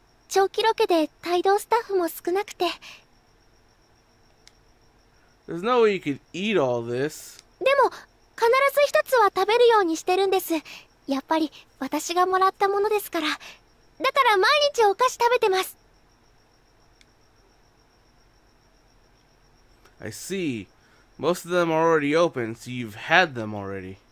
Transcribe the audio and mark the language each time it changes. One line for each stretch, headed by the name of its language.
Japanese: 長期ロケで帯同スタッフも少なくて。
English: There's no way you could eat all this.
Japanese: でも、必ず一つは食べるようにしてるんです。やっぱり、私がもらったものですから。だから毎日お菓子食べてます。
English: I see. Most of them are already open, so you've had them already.